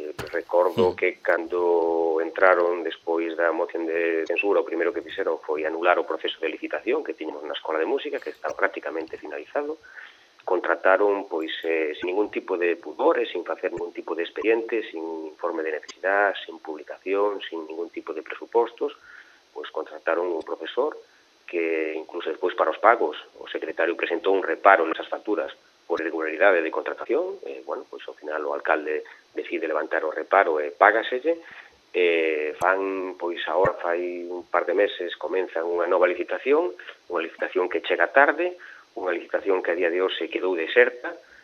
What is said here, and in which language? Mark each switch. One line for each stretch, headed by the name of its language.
Galician: Recordo que cando entraron despois da moción de censura, o primeiro que fixeron foi anular o proceso de licitación que tiñamos na Escola de Música, que está prácticamente finalizado.
Spanish: Contrataron sin ningún tipo de pudores, sin facer ningún tipo de expediente, sin informe de necesidad, sin publicación, sin ningún tipo de presupostos, pues contrataron un profesor que incluso después para los pagos,
Galician: o secretario
Spanish: presentó un reparo en esas facturas por irregularidades de contratación. Al final
Galician: o alcalde decide levantar o reparo e págaselle. Fai un par de meses comenzan unha licitación que chega tarde, unha licitación que a día de hoxe quedou deserta.